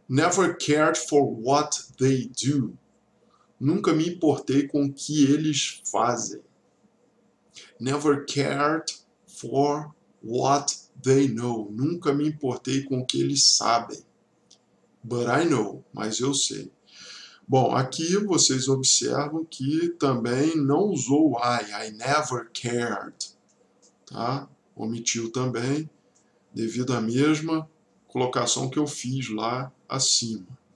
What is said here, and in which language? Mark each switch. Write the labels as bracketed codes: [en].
[en] Never cared for what they do. [pt] Nunca me importei com o que eles fazem. [en] Never cared for what they know. [pt] Nunca me importei com o que eles sabem. [en] But I know. [pt] Mas eu sei. Bom, aqui vocês observam que também não usou o I never cared, tá? Omitiu também, devido à mesma colocação que eu fiz lá acima.